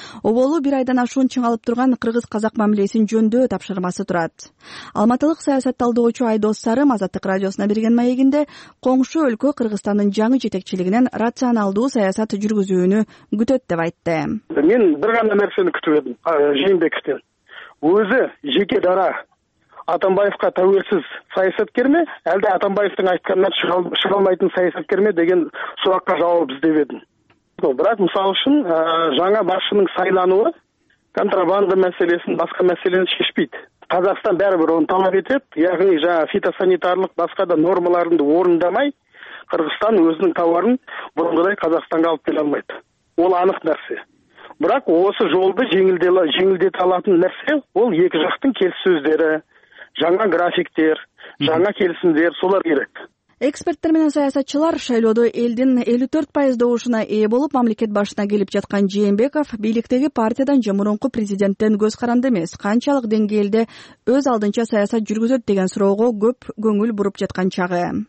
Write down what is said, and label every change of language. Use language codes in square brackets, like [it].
[ky] Оболу бир айдан ашуун чыңалып турган кыргыз-казак мамилесин жөндөө тапшырмасы турат. Алматылык саясат талдоочу Айдос Сарым Азаттык радиосуна берген маегинде коңшу өлкө Кыргызстандын жаңы жетекчилигинен рационалдуу саясат жүргүзүүнү күтөт деп айтты. Мен бир гана нерсени күтүп эдим Жээнбековтен. [kk] Өзү жеке дара Атамбаевка тәуелсиз саясаткер ме, әлде Атамбаевтың айтқанынан шыға алмайтын саясаткер ме деген сұраққа жауап іздеп едім. Бірақ мысал үшін жаңа басшының сайлануы контрабанда мәселесін, басқа мәселені шешпейді. Казахстан бәрібір оны талап етеді, яғни жаңа фитосанитарлық басқа да нормаларынды орындамай, Қырғызстан өзінің тауарын бұрынғыдай Қазақстанға алып келе алмайды. Ол анық нәрсе. Бірақ осы жолды жеңілдете алатын нәрсе, ол екі жақтың келіссөздері, жаңа графиктер, жаңа келісімдер, солар керек. [ky] Эксперттер менен саясатчылар шайлоодо элдин 54% добушуна ээ болуп мамлекет башына келип жаткан Жээнбеков бийликтеги партиядан же мурунку президенттен көз каранды эмес. Канчалык деңгээлде өз алдынча саясат жүргүзөт деген суроого көп көңүл буруп жаткан чагы.